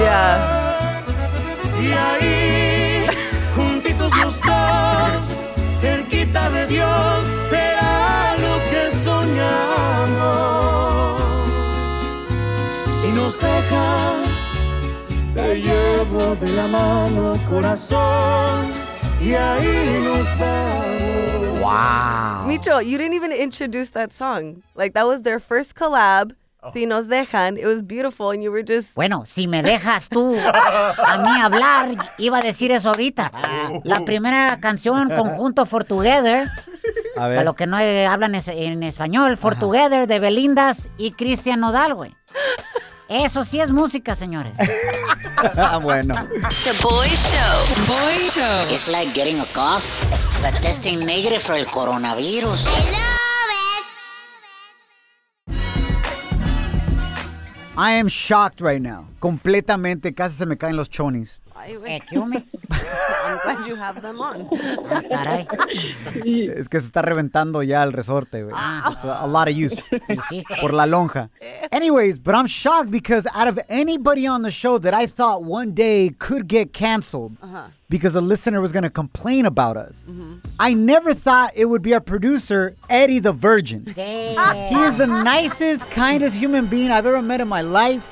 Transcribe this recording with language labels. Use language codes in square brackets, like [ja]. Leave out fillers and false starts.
[es] Yeah. Y ahí, juntitos los dos, cerquita de Dios, será lo que soñamos. Si nos dejas, te llevo de la mano, corazón, y ahí nos vamos. [en] Wow. Micho, you didn't even introduce that song. Like, that was their first collab. Oh. [es] Si nos dejan, [en] it was beautiful, and you were just... [es] Bueno, si me dejas tú a mí hablar, iba a decir eso ahorita. La primera canción, Conjunto For Together, a ver. Para los que no hablan en español, For uh-huh. Together, de Belindas y Cristian Nodal, güey. Eso sí es música, señores. Bueno. [en] Shaboy Show. Shaboy Show. It's like getting a cough, but testing negative for el coronavirus. Hello. I am shocked right now. [es] Completamente, casi se me caen los chonis. [en] Kill me. I'm glad you have them on. [es] Ah, caray. Es que se está reventando ya el resorte, güey. [en] It's a lot of use. [es] ¿Y sí? Por la lonja. [en] Anyways, but I'm shocked because out of anybody on the show that I thought one day could get canceled because a listener was going to complain about us, I never thought it would be our producer, Eddie the Virgin. Damn. He is the nicest, kindest human being I've ever met in my life.